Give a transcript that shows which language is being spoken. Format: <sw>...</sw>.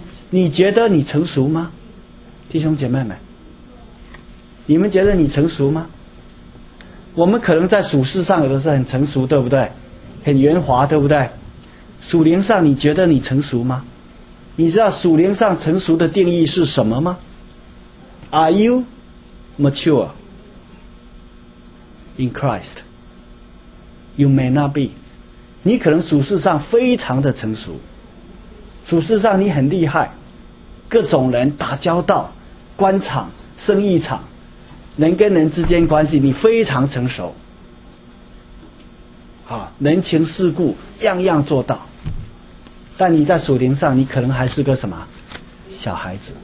<zh>你觉得你成熟吗，弟兄姐妹们？你们觉得你成熟吗？我们可能在属事上有的是很成熟，对不对？很圆滑，对不对？属灵上你觉得你成熟吗？你知道属灵上成熟的定义是什么吗？</zh> <en>Are you mature in Christ？ You may not be，</en> <zh>你可能属事上非常的成熟，属事上你很厉害，各种人打交道，官场、生意场，人跟人之间关系你非常成熟，啊，人情世故样样做到，但你在属灵上你可能还是个什么小孩子。</zh>